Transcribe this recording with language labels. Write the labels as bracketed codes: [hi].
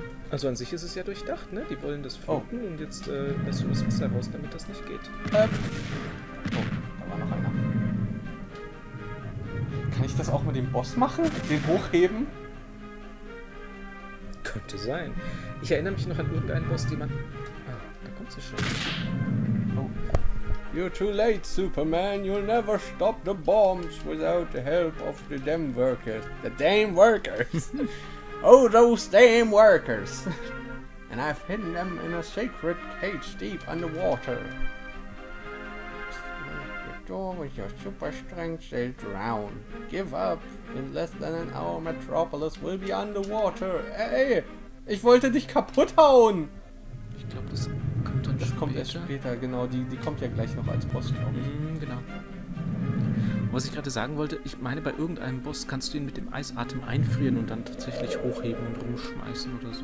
[de] Also an sich ist es ja durchdacht, ne? Die wollen das finden und jetzt lässt du das Wasser raus, damit das nicht geht. Da war noch einer. Kann ich das auch mit dem Boss machen? Den hochheben? Könnte sein. Ich erinnere mich noch an irgendeinen Boss, den man... Ah, da kommt sie schon. [en] Oh. You're too late, Superman. You'll never stop the bombs without the help of the damn workers. The damn workers! Oh, those damn workers! And I've hidden them in a sacred cage deep underwater. The door with your super strength, they drown. Give up! In less than an hour, Metropolis will be underwater! [de] Ey! Ich wollte dich kaputt hauen! Ich glaube, das kommt dann das später. Das kommt erst später, genau. Die kommt ja gleich noch als Boss, glaube ich. Mm, genau. Was ich gerade sagen wollte, ich meine, bei irgendeinem Boss kannst du ihn mit dem Eisatem einfrieren und dann tatsächlich hochheben und rumschmeißen oder so.